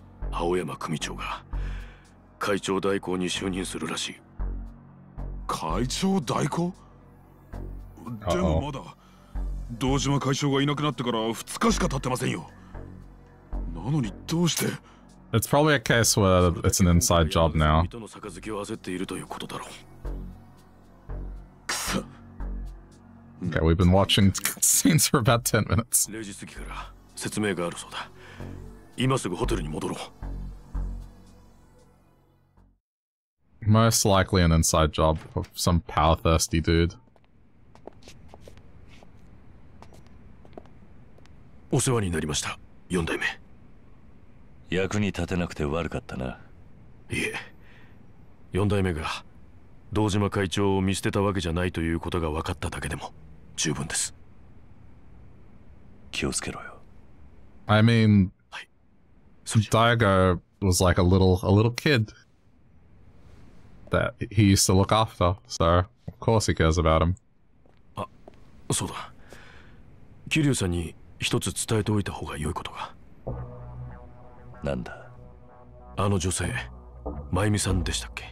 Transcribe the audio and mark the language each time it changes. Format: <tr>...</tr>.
<ja>青山組長が会長代行に就任するらしい。会長代行？でもまだ堂島会長がいなくなってから2日しか経ってませんよ。なのにどうして。</ja> <en>It's probably a case where it's an inside job now.</en> <ja>人の杯を焦っているということだろう。くそ。</ja> <en>Okay, we've been watching scenes for about 10 minutes.</en> <ja>0時過ぎから説明があるそうだ。今すぐホテルに戻ろう。</ja> <en>Most likely an inside job of some power thirsty dude.</en> <ja>お世話になりました、四代目。役に立てなくて悪かったな。いえ、四代目が堂島会長を見捨てたわけじゃないということが分かっただけでも十分です。気をつけろよ。</ja> <en>I mean,、</en> <ja>はい、</ja> <en>Daigo was like a little kid that he used to look after, so of course he cares about him.</en> <ja>あ、そうだ。桐生さんに一つ伝えておいた方が良いことが。なんだ。あの女性、真由美さんでしたっけ。</ja>